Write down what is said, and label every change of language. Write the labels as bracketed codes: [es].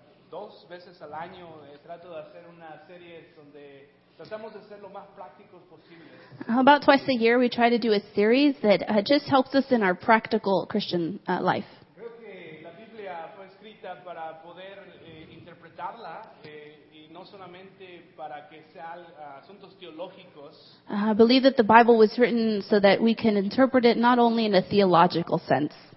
[es] Dos veces al año trato de hacer una serie donde tratamos de ser lo más prácticos posible. [en] About twice a year, we try to do a series that just helps us in our practical Christian life. [es] Creo que la Biblia fue escrita para poder interpretarla y no solamente para que sean asuntos teológicos. [en] I believe that the Bible was written so that we can interpret it not only in a theological sense.